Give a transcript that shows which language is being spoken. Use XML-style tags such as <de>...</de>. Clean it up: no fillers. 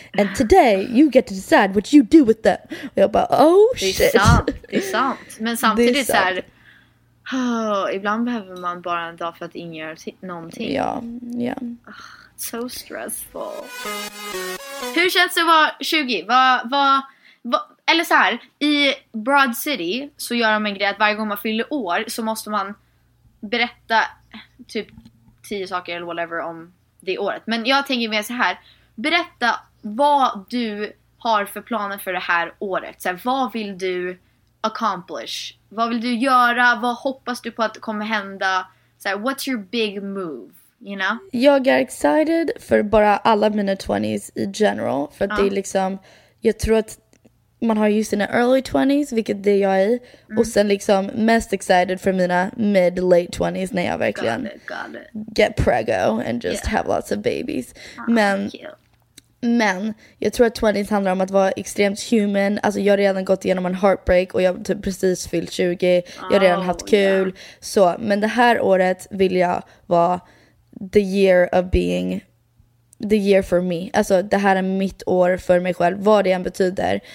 <en>And today you get to decide what you do with them.</en> <sv>Och jag bara,</sv> <en>oh shit.</en> <sv>Det är sant. Men samtidigt så här, ibland behöver man bara en dag för att ingöra någonting. Ja.</sv> <en>So stressful.</en> <sv>Hur känns det att vara 20? Eller så här, i Broad City så gör de en grej att varje gång man fyller år så måste man berätta typ 10 saker eller whatever om det året. Men jag tänker mer så här, berätta vad du har för planer för det här året. Så här, vad vill du accomplish? Vad vill du göra? Vad hoppas du på att kommer hända? Så här,</sv> <en>what's your big move? You know?</en> <sv>Jag är excited för bara alla mina 20s i general. För att det är liksom, jag tror att man har ju sina early 20s, vilket det jag är. Och sen liksom mest excited för mina mid-late 20s när jag verkligen</sv> <en>got it. Get preggo and just have lots of babies.</en> <sv>Men Men jag tror att 20 handlar om att vara extremt human. Alltså jag har redan gått igenom en heartbreak och jag har typ precis fyllt 20. Jag har redan haft kul.</sv> <en>Yeah.</en> <sv>Så, men det här året vill jag vara</sv> <en>the year of being the year for me.</en> <sv>Alltså det här är mitt år för mig själv, vad det än betyder.</sv>